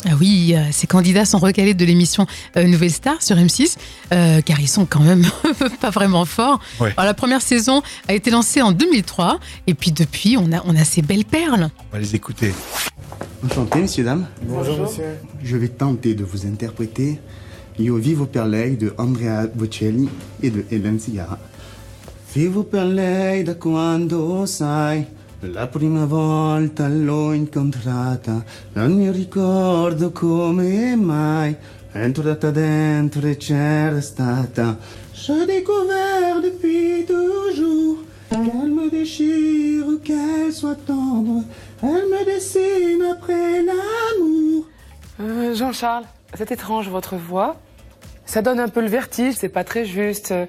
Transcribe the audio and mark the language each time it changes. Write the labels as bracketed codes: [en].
[fr] Ah oui, ces candidats sont recalés de l'émission Nouvelle Star sur M6, car ils sont quand même pas vraiment forts. Oui. Alors, la première saison a été lancée en 2003, et puis depuis, on a ces belles perles. On va les écouter. Enchanté, messieurs, dames. Bonjour, monsieur. Je vais tenter de vous interpréter Io vivo per lei de Andrea Bocelli et de Hélène Cigara. [it] Vivo per lei da quando sai, la prima volta l'ho incontrata, non mi ricordo come mai, è entrata dentro e c'era stata. [fr] Je découvre depuis toujours qu'elle me déchire, qu'elle soit tendre, elle me dessine après l'amour. Jean-Charles, c'est étrange votre voix. Ça donne un peu le vertige, c'est pas très juste.